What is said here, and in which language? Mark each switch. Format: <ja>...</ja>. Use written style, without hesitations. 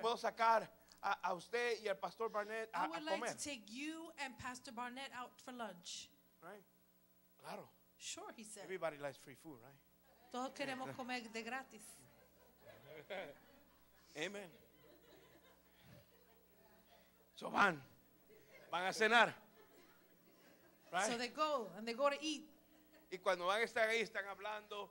<es>Puedo sacar a usted y al pastor Barnett a comer.</es> <en>I would like</en> <es>comer.</es> <en>To take you and Pastor Barnett out for lunch. Right?</en> <es>Claro.</es> <en>Sure, he said. Everybody likes free food, right?</en> <es>Todos queremos comer de gratis. Amen. So van a cenar.</es> <en>Right? So they go and they go to eat.</en> <es>Y cuando van a estar ahí están hablando.</es>